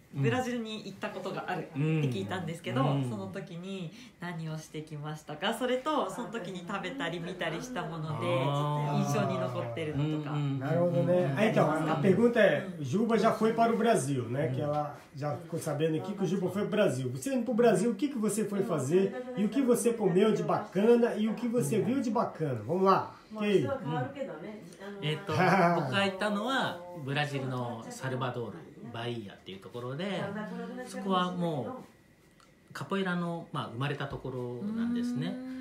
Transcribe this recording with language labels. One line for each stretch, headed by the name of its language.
Japanese: ブラジルに行ったことがあるって聞いたんですけど、その時に何をしてきましたか、それとその時に食べたり見たりしたものでちょっと印象に残ってるのとか。なるほどね。
Portuguese: Então, a pergunta é: Juba já foi para o Brasil, né? Que ela já ficou sabendo aqui que o Juba foi para o Brasil. Você indo para o Brasil, o que você foi fazer? E o que você comeu de bacana? E o que você viu de bacana? Vamos lá!
Japanese: まあ、質は変わるけどね、うん、僕が行ったのはブラジルのサルバドールバイヤっていうところで、そこはもうカポエラの、まあ、生まれたところなんですね。